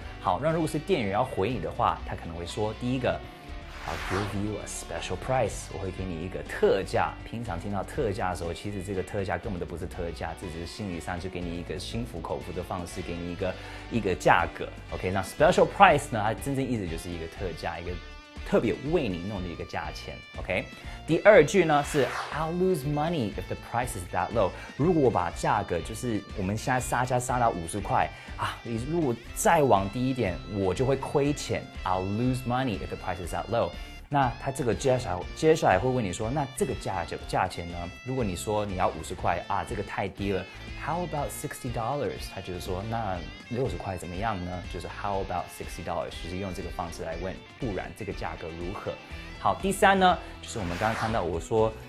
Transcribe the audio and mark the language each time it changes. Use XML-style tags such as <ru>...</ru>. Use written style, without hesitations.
<zh>好，那如果是店员要回你的话，他可能会说第一个</zh> <en>I'll give you a special price.</en> <zh>我会给你一个特价。平常听到特价的时候，其实这个特价根本都不是特价，这只是心理上就给你一个心服口服的方式，给你一个价格。 OK， 那 special price 呢？它真正意思就是一个特价，一个特别为你弄的一个价钱。</zh> <en>OK，</en> <zh>第二句呢是</zh> <en>I'll lose money if the price is that low.</en> <zh>如果我把价格就是我们现在杀价杀到50块。啊，你如果再往低一点，我就会亏钱。</zh> <en>I'll lose money if the price is that low。</en> <zh>那他这个接下来会问你说，那这个价钱呢？如果你说你要五十块啊，这个太低了。</zh> <en>How about $60？</en> <zh>他就是说，那60块怎么样呢？就是</zh> <en>How about $60？</en> <zh>就是用这个方式来问，不然这个价格如何？好，第三呢，就是我们刚刚看到我说。</zh>